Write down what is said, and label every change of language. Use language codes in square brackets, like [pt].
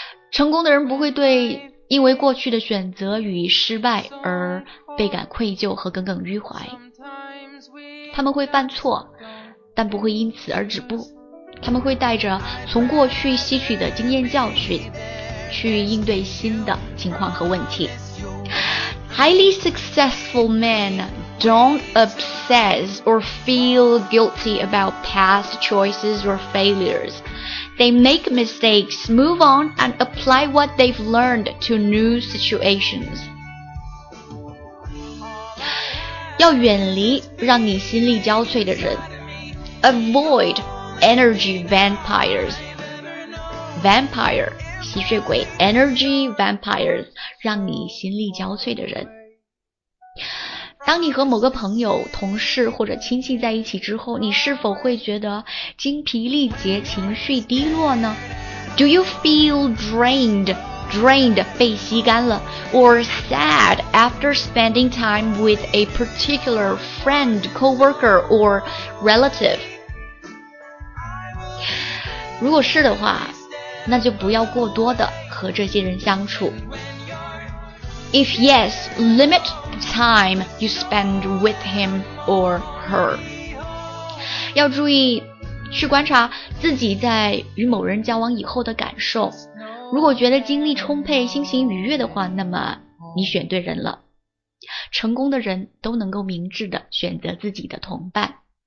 [zh] 成功的人不会对因为过去的选择与失败而倍感愧疚和耿耿于怀，他们会犯错，但不会因此而止步。他们会带着从过去吸取的经验教训，去应对新的情况和问题。 [en] Highly successful men don't obsess or feel guilty about past choices or failures. They make mistakes, move on, and apply what they've learned to new situations. [zh] 要远离让你心力交瘁的人。 [en] Avoid energy vampires. Vampire, [zh] 吸血鬼。 [en] Energy vampires, [zh] 让你心力交瘁的人。当你和某个朋友、同事或者亲戚在一起之后，你是否会觉得精疲力竭、情绪低落呢？ [en] Do you feel drained, [zh] 被吸干了， [en] or sad after spending time with a particular friend, coworker, or relative? [zh] 如果是的话，那就不要过多的和这些人相处。 [en] If yes, limit time you spend with him or her. [zh] 要注意去观察自己在与某人交往以后的感受。如果觉得精力充沛、心情愉悦的话，那么你选对人了。成功的人都能够明智地选择自己的同伴。